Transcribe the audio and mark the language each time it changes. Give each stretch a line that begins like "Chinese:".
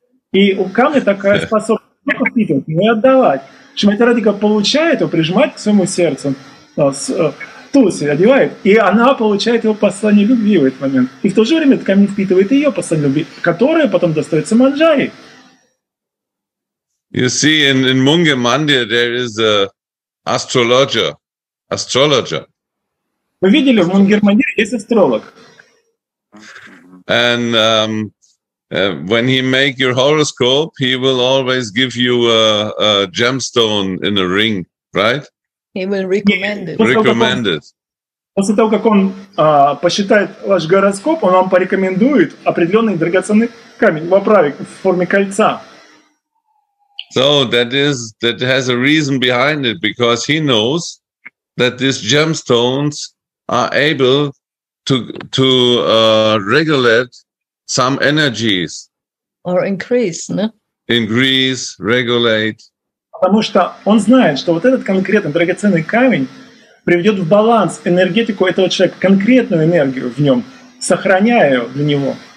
Russian: И у камня такая способность не впитывать, не отдавать. Шимати Радика получает его, прижимает к своему сердцу, туси одевает, и она получает его послание любви в этот момент. И в то же время камень впитывает ее послание любви, которое потом достается Манджари.
English: You see, in Munge Mandir there is a astrologer.
Russian: Вы видели, в Мунгер Мандире есть астролог.
English: And when he make your horoscope, he will always give you a gemstone in a ring, right? He will recommend it.
Russian: После того, как он посчитает ваш гороскоп, он вам порекомендует определенный драгоценный камень в оправе в форме кольца.
English: So that has a reason behind it, because he knows that these gemstones are able to regulate some energies. Or increase, no? Increase, regulate.
Russian: потому что он знает, что вот этот конкретный драгоценный камень приведет в баланс энергетику этого человека, конкретную энергию в нем, сохраняя ее для него.